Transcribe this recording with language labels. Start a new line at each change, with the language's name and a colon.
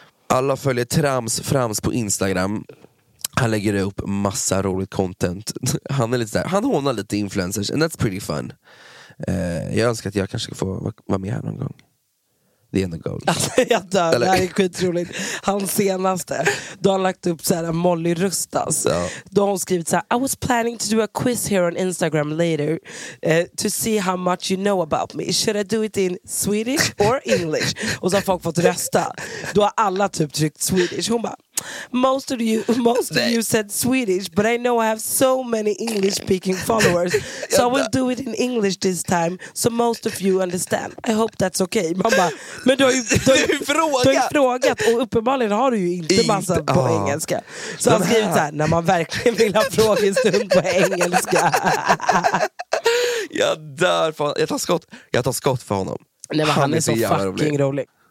Swedish: Alla följer Trams Frans på Instagram. Han lägger upp massa roligt content. Han är lite så här, han hånar lite influencers
English: and that's pretty fun.
Swedish: Jag önskar att jag kanske får vara med här någon gång.
English: The end of goals.
Swedish: Alltså, jag dör. Eller... det här är skitroligt. Han senaste, då har han lagt upp så här Molly Rustas. Ja. Då har hon skrivit så här,
English: I was planning to do a quiz here on Instagram later to see how much you know about me. Should I do it in Swedish or English?
Swedish: Och så har folk fått rösta. Då har alla typ tryckt Swedish. Hon bara,
English: most of you said Swedish, but I know I have so many English speaking followers, so I will do it in English this time, so most of you understand. I hope that's okay.
Swedish: Mamma, men du har ju frågat och uppenbarligen har du ju inte massa på engelska. Så han skriver så här, när man verkligen vill ha frågestund på engelska. Jag dör för honom. Jag tar skott för honom. Nej, men han är så fucking rolig.